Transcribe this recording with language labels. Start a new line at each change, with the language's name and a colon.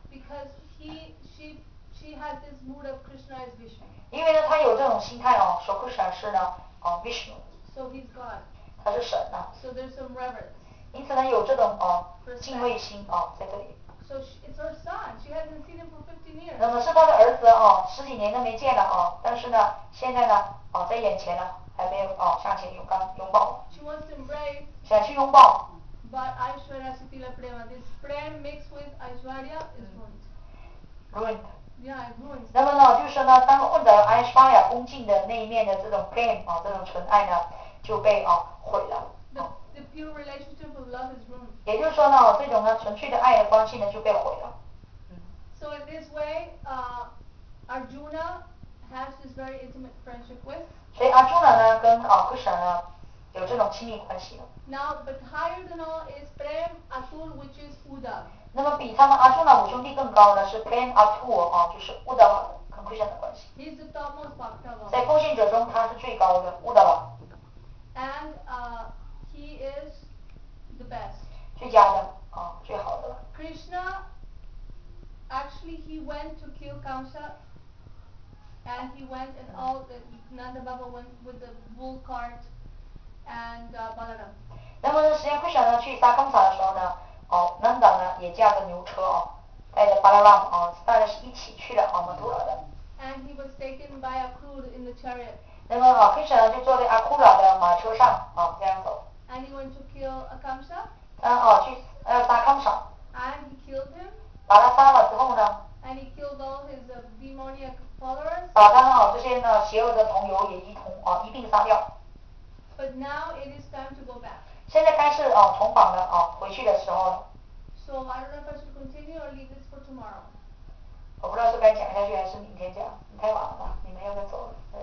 English: Because she has this mood of Krishna as Vishnu.
Chinese: 因为呢，他有这种心态说 Krishna 是呢Vishnu.
English: So he's God.
Chinese: 他是神呐。
English: So there's some reverence.
Chinese: 因此呢，有这种敬畏心在这里。
English: So it's her son. She hasn't seen him for 15 years.
Chinese: 那么是他的儿子十几年都没见了但是呢，现在呢在眼前呢，还没有向前拥抱。
English: She wants to embrace.
Chinese: 想去拥抱。
English: But Aishwarya Sutila Prema, this friend mixed with Aishwarya is ruined. Ruined. Yeah, ruined.
Chinese: 那么呢，就是呢，当混的 Aishwarya 恭敬的那一面的这种 Prema 这种纯爱呢，就被毁了。
English: The pure relationship of love is ruined.
Chinese: 也就是说呢，这种呢纯粹的爱的关系呢就被毁了。
English: So in this way, Arjuna has this very intimate friendship with.
Chinese: 所以 Arjuna 呢跟Krishna 呢有这种亲密关系。
English: Now, but higher than all is Prem Atul, which is Uddhava.
Chinese: 那么比他们 Arjuna 五兄弟更高呢是 Prem Atul 就是 Uddhava 跟 Krishna 的关系。
English: He's the topmost Bhaktava.
Chinese: 在奉献者中他是最高的 Uddhava.
English: And He is the best.
Chinese: 最佳的最好的。
English: Krishna, actually, he went to kill Kamsa, and he went and all the Nanda Baba went with the bull cart and Balaram.
Chinese: 那么呢，实际上 Krishna 呢去杀 Kamsa 的时候呢，Nanda 呢也驾着牛车带着 Balaram 大家是一起去的Mathura 的。
English: And he was taken by Akula in the chariot.
Chinese: 那么Krishna 呢就坐在 Akula 的马车上这样走。
English: And he went to kill Akamsa.
Chinese: 去杀 Kamsa.
English: And he killed him.
Chinese: 把他杀了之后呢
English: ？And he killed all his demoniac followers.
Chinese: 把他们这些呢邪恶的同友也一并杀掉。
English: But now it is time to go back.
Chinese: 现在开始重返的回去的时候了。
English: So I don't know if I should continue or leave this for tomorrow.
Chinese: 我不知道是该讲下去还是明天讲，你太晚了吧，你们要不要走了？